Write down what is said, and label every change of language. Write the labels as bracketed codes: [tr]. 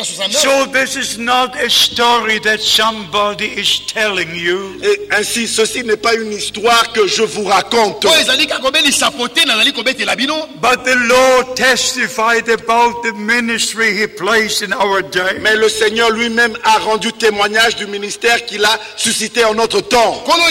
[en] So this is not a story that somebody is telling you. [fr] Et ainsi, ceci n'est pas une histoire que je vous raconte. [en] But the Lord testified about the ministry He placed in our day. [fr] Mais le Seigneur lui-même a rendu témoignage du ministère qu'il a suscité en notre temps.